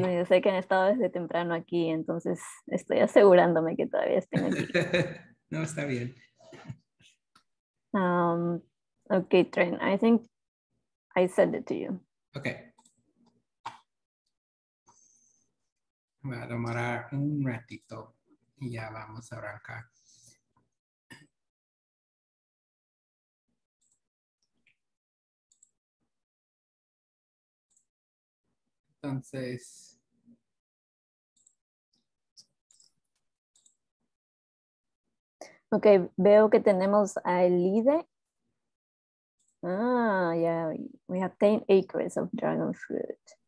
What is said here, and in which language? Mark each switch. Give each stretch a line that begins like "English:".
Spanish: No, yo sé que han estado desde temprano aquí, entonces estoy asegurándome que todavía estén aquí. No, está bien.
English: Ok, Trent, I think I sent it to you. Ok.
Spanish: Voy a demorar un ratito y ya vamos a arrancar. Entonces, ok, veo que tenemos a Elide.
English: Ah, yeah, we have 10 acres of dragon fruit.